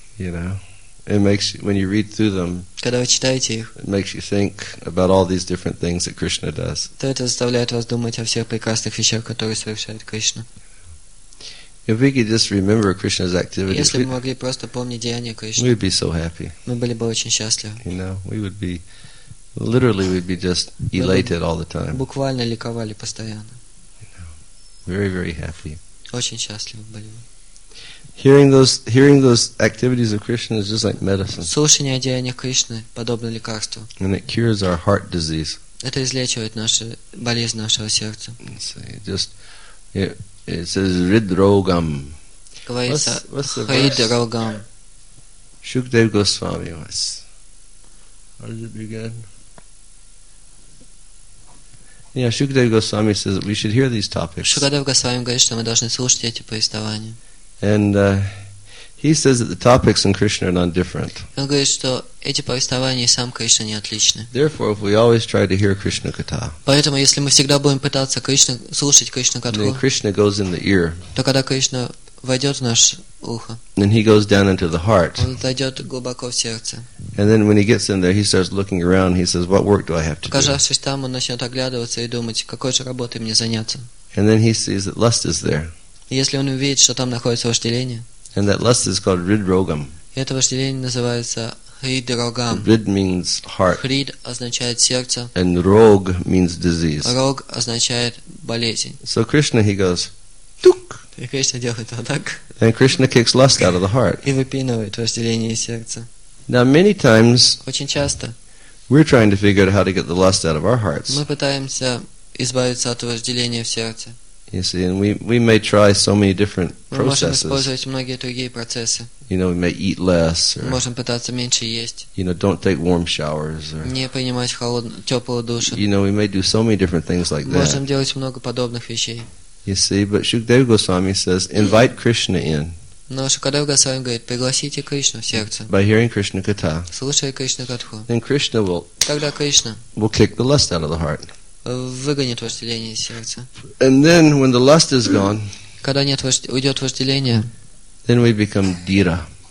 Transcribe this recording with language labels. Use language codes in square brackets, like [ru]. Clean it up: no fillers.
[en] You know, it makes you, when you read through them, [ru] когда вы читаете их, [en] it makes you think about all these different things that Krishna does. [ru] То это заставляет вас думать о всех прекрасных вещах, которые совершает Кришна. [en] If we could just remember Krishna's activities, [ru] если бы мы могли просто помнить деяния Кришны, [en] we'd be so happy. [ru] Мы были бы очень счастливы. [en] You know, we would be, literally we'd be just elated all the time. [ru] Буквально ликовали постоянно. [en] Very, very happy. [ru] Очень счастливы были. [en] Hearing those activities of Krishna is just like medicine. [ru] Слушание о деяниях Кришны подобно лекарству. [en] And it cures our heart disease. [ru] Это излечивает наши болезни нашего сердца. [en] It says ridrogam. [ru] Говорится ридрогам. [en] Shukdev Goswami. How does it begin? Yeah, Shukadev Goswami says that we should hear these topics. [ru] Shukadev Goswami говорит, что мы должны слушать эти повествования. [en] And he says that the topics in Krishna are not different. [ru] Он говорит, что эти повествования сам Кришна не отличны. [en] Therefore, if we always try to hear Krishna katha, [ru] поэтому если мы всегда будем пытаться Кришна слушать Кришна катху, [en] then Krishna goes in the ear. [ru] То когда Кришна войдет в наше ухо, [en] then he goes down into the heart. [ru] Он зайдет глубоко в сердце. [en] And then when he gets in there, he starts looking around. He says, "What work do I have to do?" [ru] Оказавшись там, он начнет оглядываться и думать, какой же работой мне заняться. [en] And then he sees that lust is there. [ru] Если он увидит, что там находится вожделение, [en] and that lust is called ridrogam. [ru] Это вожделение называется ridrogam. [en] Rid means heart. [ru] Rid означает сердце. [en] And rog means disease. [ru] Rog означает болезнь. [en] So Krishna, he goes, tuk. [ru] И Кришна делает вот так. [en] And Krishna kicks lust out of the heart. [ru] И выпинывает вожделение из сердца. [en] Now many times, [ru] очень часто, [en] we're trying to figure out how to get the lust out of our hearts. [ru] Мы пытаемся избавиться от вожделения в сердце. [en] You see, and we may try so many different processes. [ru] Мы можем использовать многие другие процессы. [en] You know, we may eat less. [ru] Мы можем пытаться меньше есть. [en] You know, don't take warm showers. [ru] Не принимать холодную, теплую душу. [en] You know, we may do so many different things like that. [ru] Мы можем делать много подобных вещей. [en] You see, but Shukdev Goswami says, invite Krishna in. [ru] Но Шукадев Госвами говорит, пригласите Кришну в сердце. [en] By hearing Krishna katha. [ru] Слушая Кришну катху. [en] Then Krishna will. [ru] Тогда Кришна. [en] Will kick the lust out of the heart. [ru] Выгонит вожделение из сердца. [en] And then when the lust is gone, [ru] когда нет уйдет вожделение, [en] then we become dhira.